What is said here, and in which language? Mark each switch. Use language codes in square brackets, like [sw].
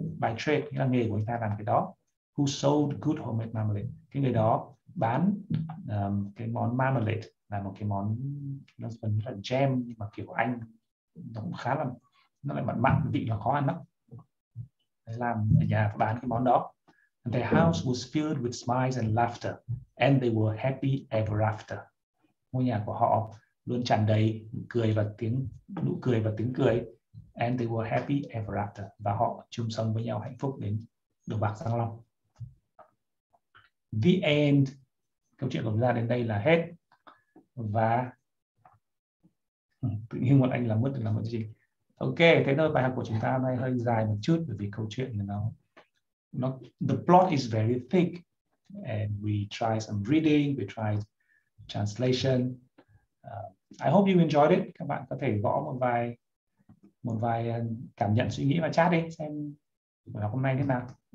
[vi] By trade, nghĩa là nghề của anh ta làm cái đó. [en] Who sold good homemade marmalade. [vi] Cái người đó bán cái món marmalade, là một cái món nó vẫn là jam nhưng mà kiểu Anh. Nó cũng khá là, nó lại mặn mặn, vị nó khó ăn lắm. Đấy, làm ở nhà bán cái món đó. [en] And their house was filled with smiles and laughter, and they were happy ever after. [vi] Ngôi nhà của họ luôn tràn đầy cười và tiếng nụ cười và tiếng cười, [en] and they were happy ever after. [vi] Và họ chung sống với nhau hạnh phúc đến đồ bạc răng long. The end. Câu chuyện của chúng ta đến đây là hết. Và tự nhiên một anh làm mất được làm một gì? Ok, thế thôi. Bài học của chúng ta hôm nay hơi dài một chút bởi vì câu chuyện của nó. [en] Not, the plot is very thick, and we try some reading, we try translation. I hope you enjoyed it. [vi] Các bạn có thể gõ một vài cảm nhận suy nghĩ vào chat đi, xem bài học hôm nay thế nào.